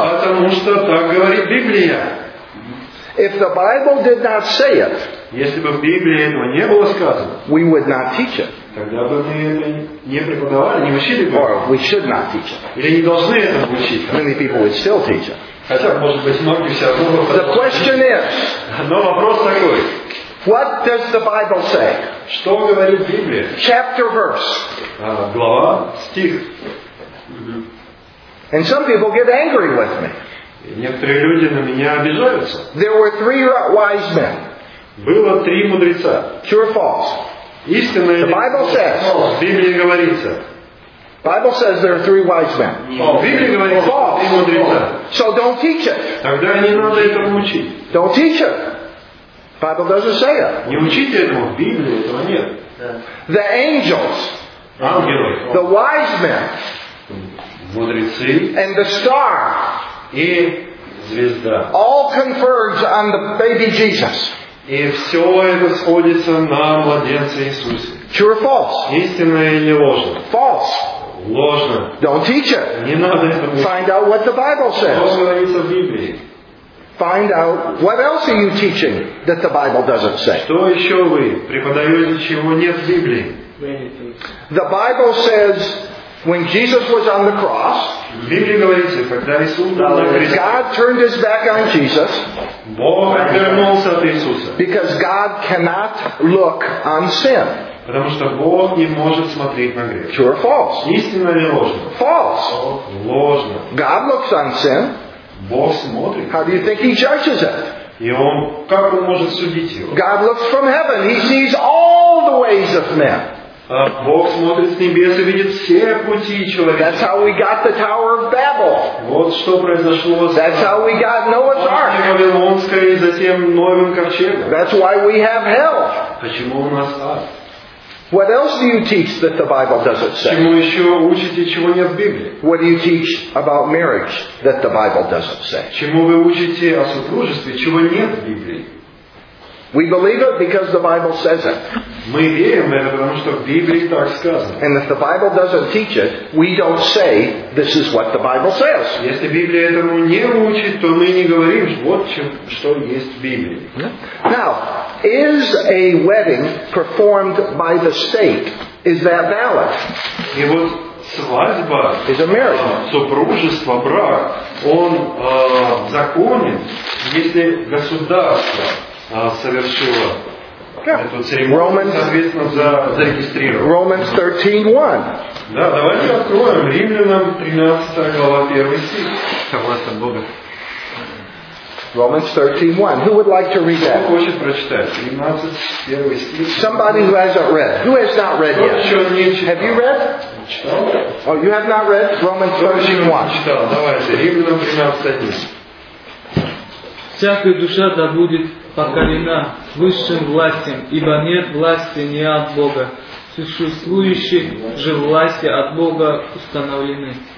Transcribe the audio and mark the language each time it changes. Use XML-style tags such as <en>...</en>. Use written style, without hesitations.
<ru>Потому что так говорит Библия.</ru> <en>If the Bible did not say it,</en> <ru>если бы в Библии этого не было сказано,</ru> <en>we would not teach it.</en> <ru>Тогда бы мы не преподавали, не учили бы.</ru> <en>Or we should not teach it.</en> <ru>Или не должны это учить.</ru> <en>Many people would still teach it.</en> <ru>Хотя, может быть, многие все равно</ru> <en>The question is,</en> <ru>но вопрос такой.</ru> <en>What does the Bible say?</en> <ru>Что говорит Библия?</ru> <en>Chapter verse.</en> <ru>Глава, стих.</ru> <en>And some people get angry with me.</en> <ru>Некоторые люди на меня обижаются.</ru> <en>There were three wise men.</en> <ru>Было три мудреца.</ru> <en>True or false?</en> <ru>Истинно или</ru> <en>The Bible says.</en> <ru>Библия говорится.</ru> <en>Bible says there are three wise men.</en> <ru>Библия говорится. Три мудреца.</ru> <en>So don't teach it.</en> <ru>Тогда не надо этому учить.</ru> <en>Don't teach it. Bible doesn't say it.</en> <ru>Не учите этому. Библии этого нет.</ru> <en>The angels.</en> <ru>Ангелы.</ru> <en>The wise men.</en> <ru>Мудрецы,</ru> <en>and the star</en> <ru>и звезда</ru> <en>all converge on the baby Jesus.</en> <ru>И все это сходится на младенце Иисусе.</ru> <en>True or false?</en> <ru>Истинно или ложно?</ru> <en>False.</en> <ru>Ложно.</ru> <en>Don't teach it.</en> <ru>Не надо этому.</ru> <en>Find out what the Bible says.</en> <ru>Что говорится в Библии?</ru> <en>Find out what else are you teaching that the Bible doesn't say?</en> <ru>Что еще вы преподаете, чего нет в Библии?</ru> <en>The Bible says. When Jesus was on the cross,</en> <ru>Библия говорит, когда Иисус был на кресте,</ru> <en>God turned his back on Jesus.</en> <ru>Бог отвернулся от Иисуса.</ru> <en>Because God cannot look on sin.</en> <ru>Потому что Бог не может смотреть на грех.</ru> <en>True or false?</en> <ru>Истинно или ложно?</ru> <en>False.</en> <ru>Ложно.</ru> <en>God looks on sin.</en> <ru>Бог смотрит.</ru> <en>How do you think he judges it?</en> <ru>И он как он может судить его?</ru> <en>God looks from heaven. He sees all the ways of men.</en> <ru>Бог смотрит с небес и видит все пути человека.</ru> <en>That's how we got the Tower of Babel.</en> <ru>Вот что произошло.</ru> <en>That's how we got Noah's Ark.</en> <ru>После Вавилонской и затем Ноевым ковчегом.</ru> <en>That's why we have hell.</en> <ru>Почему у нас ад?</ru> <en>What else do you teach that the Bible doesn't say?</en> <ru>Чему еще учите, чего нет в Библии?</ru> <en>What do you teach about marriage that the Bible doesn't say?</en> <ru>Чему вы учите о супружестве, чего нет в Библии?</ru> <en>We believe it because the Bible says it.</en> <ru>Мы верим это, потому что в Библии так сказано.</ru> <en>And if the Bible doesn't teach it, we don't say this is what the Bible says.</en> <ru>Если Библия этому не учит, то мы не говорим, вот что есть в Библии.</ru> <en>Now, is a wedding performed by the state, is that valid?</en> <ru>И вот свадьба,</ru> <en>is a marriage.</en> <ru>Супружество, брак, он законен, если государство совершила эту церемонию зарегистрировала.</ru> <en>Romans 13:1.</en> <ru>Да, давайте откроем Римлянам 13 глава 1 стих. Согласно Бога.</ru> <en>Romans 13:1. Who would like to read that?</en> <ru>Кто хочет прочитать? 13:1 стих.</ru> <en>Somebody who hasn't read. Who has not read yet? Have you read?</en> <ru>Читал.</ru> <en>Oh, you have not read Romans 13:1.</en> <ru>Читал. Давайте Римлянам 13:1. Всякая душа да будет покорена высшим властям, ибо нет власти не от Бога. Существующие же власти от Бога установлены.</ru>